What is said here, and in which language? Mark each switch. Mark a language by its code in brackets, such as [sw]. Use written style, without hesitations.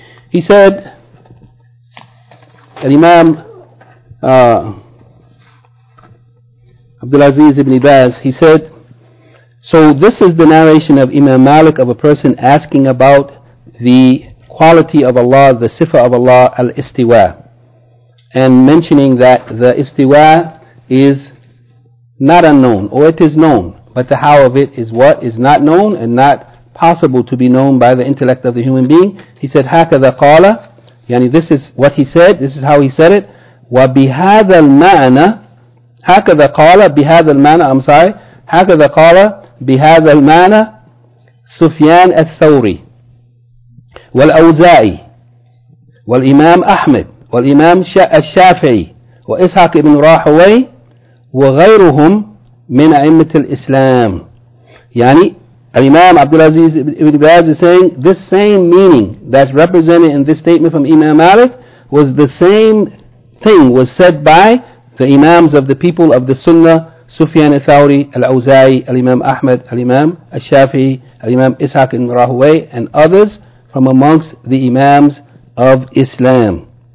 [en] He said, Al-Imam Abdulaziz ibn Baz, he said, so this is the narration of Imam Malik of a person asking about the quality of Allah, the sifa of Allah, al-istiwa, and mentioning that the istiwa is not unknown, or it is known, but the how of it is what is not known and not possible to be known by the intellect of the human being. He said, [ar] هَكَذَا قَالَ, [en] yani this is what he said, this is how he said it, [ar] وَبِهَذَا الْمَعْنَى, هَكَذَا قَالَ, بِهَذَا الْمَعْنَى, [en] I'm sorry, [ar] هَكَذَا قَالَ, بِهَذَا الْمَعْنَى, سُفْيَان الثَّوْرِي, وَالْأَوْزَاعِي, وَالْإِمَام أَحْمَد, وَالْإِمَام الشَّافِعِي, وَإِسْحَاقِ بْنُ رَاحُوَي, وَغَيْرُهُمْ مِنْ أَئِمَّةِ الْإِسْلَامِ. [en] Yani, Al-Imam Abdulaziz ibn Baz is saying this same meaning that's represented in this statement from Imam Malik was the same thing was said by the Imams of the people of the Sunnah, Sufyan al-Thawri, al-Awza'i, al-Imam Ahmad, al-Imam al-Shafi'i, al-Imam Ishaq al-Rahway, and others from amongst the Imams of Islam.